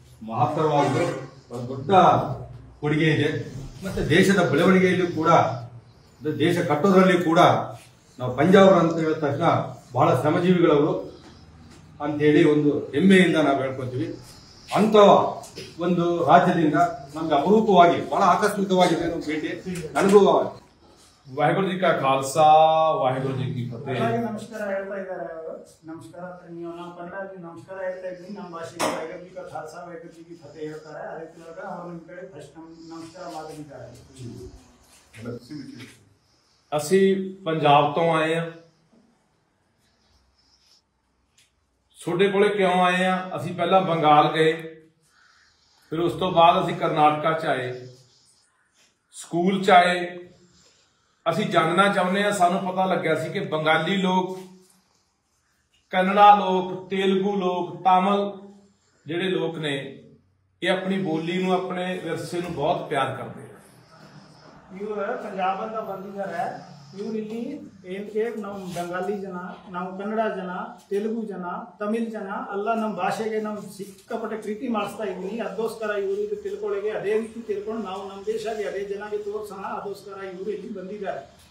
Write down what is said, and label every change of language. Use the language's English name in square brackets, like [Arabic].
[Kannada] ಮಹತ್ತರವಾದ ದೊಡ್ಡ ಕೊಡುಗೆ ಇದೆ ಮತ್ತೆ ದೇಶದ ಬೆಳವಣಿಗೆಯಲ್ಲಿ ಕೂಡ ದೇಶ ಕಟ್ಟೋದರಲ್ಲಿ ಕೂಡ ನಾವು ಪಂಜಾಬರ ಅಂತ ಹೇಳಿದ ತಕ್ಷಣ ಬಹಳ ಶ್ರಮಜೀವಿಗಳವರು ಅಂತ ಹೇಳಿ ಒಂದು ಹೆಮ್ಮೆಯಿಂದ ನಾವು ಹೇಳ್ಕೊಳ್ತೀವಿ ಅಂತ ಒಂದು ರಾಜ್ಯದಿಂದ ನಮಗೆ ಅಪರೂಪವಾಗಿ ಬಹಳ ಆಕಸ್ಮಿಕವಾಗಿ ನಾನು ಭೇಟಿ ಅನುಭವ [Punjabi] ವಾಹಿಗುರು ಜಿ ಕಾ ಖಾಲ್ಸಾ ವಾಹಿಗುರು ಜಿ ಕೀ ಫತೇ [Kannada] ನಮಸ್ಕಾರ ಹೇಳ್ತಾ ಇದ್ದಾರೆ ನಮಸ್ಕಾರ ತನ್ನಿಯ ನಮ್ಮ ಪಂಡಾ ಜಿ ನಮಸ್ಕಾರ ಹೇಳ್ತಾ ಇದ್ದೀನಿ ನಮ್ಮ ಭಾಷೆಗೆ [Punjabi] ವಾಹಿಗುರು ಜಿ ಕಾ ಖಾಲ್ಸಾ ವಾಹಿಗುರು ಜಿ ಕೀ ಫತೇ [Kannada] ಹೇಳ್ತಾರೆ ಅದೇ ತರಹ ಅವರು ನಿಮ್ಮ ಕಡೆ ಫಸ್ಟ್ ನಮಸ್ಕಾರ ಮಾಡ್ತಿದ್ದಾರೆ [Punjabi] ਅਸੀਂ ਪੰਜਾਬ ਤੋਂ ਆਏ ਆ ਸੋਡੇ ਕੋਲੇ ਕਿਉਂ ਆਏ ਆ ਅਸੀਂ ਪਹਿਲਾਂ ਬੰਗਾਲ ਗਏ ਫਿਰ ਉਸ ਤੋਂ ਬਾਅਦ ਅਸੀਂ ਕਰਨਾਟਕਾ ਚ ਆਏ ਸਕੂਲ ਚ ਆਏ ਅਸੀਂ ਜਾਣਨਾ ਚਾਹੁੰਦੇ ਆ ਸਾਨੂੰ ਪਤਾ ਲੱਗਿਆ ਸੀ ਕਿ ਬੰਗਾਲੀ ਲੋਕ ਕੰਨੜਾ ਲੋਕ ਤੇਲਗੂ ਲੋਕ ਤਾਮਿਲ ਜਿਹੜੇ ਲੋਕ ਨੇ ਇਹ ਆਪਣੀ ਬੋਲੀ ਨੂੰ ਆਪਣੇ ਵਿਰਸੇ ਨੂੰ ਬਹੁਤ ਪਿਆਰ ਕਰਦੇ ਆ [Kannada] ಇವ್ರ ಪಂಜಾಬ್ ಅಂತ ಬಂದಿದ್ದಾರೆ ಇವ್ರು ಇಲ್ಲಿ ಏನಕ್ಕೆ ನಮ್ಮ ಬಂಗಾಲಿ ಜನ ನಮ್ಮ ಕನ್ನಡ ಜನ ತೆಲುಗು ಜನ ತಮಿಳ್ ಜನ ಅಲ್ಲ ನಮ್ಮ ಭಾಷೆಗೆ ನಾವು ಸಿಕ್ಕಾಪಟ್ಟೆ ಪ್ರೀತಿ ಮಾಡಿಸ್ತಾ ಇದ್ದೀನಿ ಅದೋಸ್ಕರ ಇವರು ಇದು ತಿಳ್ಕೊಳಗೆ ಅದೇ ರೀತಿ ತಿಳ್ಕೊಂಡು ನಾವು ನಮ್ಮ ದೇಶಕ್ಕೆ ಅದೇ ಜನಕ್ಕೆ ತೋರಿಸೋಣ ಅದೋಸ್ಕರ ಇವರು ಇಲ್ಲಿ ಬಂದಿದ್ದಾರೆ